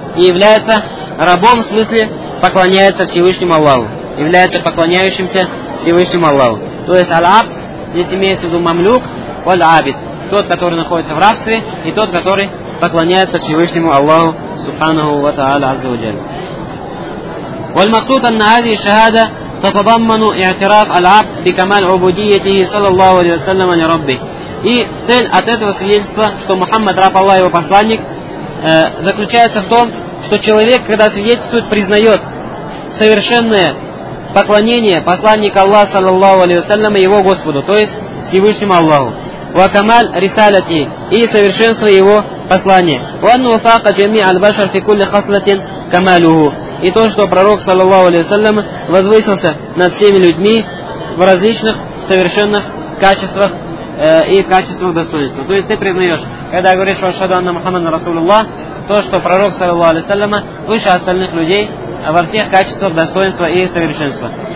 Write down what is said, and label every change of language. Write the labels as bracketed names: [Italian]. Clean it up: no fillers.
[Russian] И является рабом, в смысле, поклоняется Всевышнему Аллаху. Является поклоняющимся Всевышнему Аллаху. То есть аль-абд, здесь имеется в виду мамлюк, валь-абид. Тот, который находится в рабстве, и тот, который поклоняется Всевышнему Аллаху, субханаху ва та'аля, азза ва джалля. [Arabic] والمقصود أن هذه الشهادة تتضمن اعتراف العبد بكمال عبوديته صلى الله عليه وسلم لربه. И цель от этого свидетельства, что Мухаммад, раб Аллаха, его посланник, заключается в том, что человек, когда свидетельствует, признает совершенное поклонение посланника Аллаха, саллаллаху алейхи ва саллям, его Господу, то есть Всевышнему Аллаху. وكمال رسالته [Russian] и совершенство его послания. [Arabic] وأن وفاق جميع البشر في كل خصلة كماله. [Russian] И то, что пророк, саллаллаху алейхи вассалям, возвысился над всеми людьми в различных совершенных качествах и качествах достоинства. То есть ты признаешь, когда говоришь, «Ашхаду анна Мухаммадан Расулуллах», то, что пророк, саллаллаху алейхи вассалям, выше остальных людей во всех качествах достоинства и совершенства.